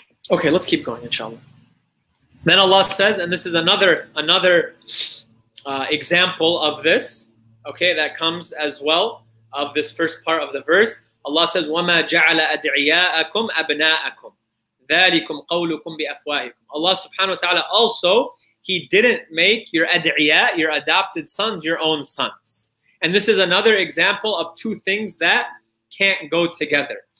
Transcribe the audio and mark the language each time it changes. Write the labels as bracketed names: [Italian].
[English] Okay, let's keep going, inshallah. Then Allah says, and this is another example of this, okay, that comes as well, of this first part of the verse. Allah says, [Arabic] وَمَا جَعَلَ أَدْعِيَاءَكُمْ أَبْنَاءَكُمْ ذَلِكُمْ قَوْلُكُمْ بِأَفْوَاهِكُمْ. [English] Allah subhanahu wa ta'ala also, He didn't make your ad'iyah, your adopted sons, your own sons. And this is another example of two things that can't go together.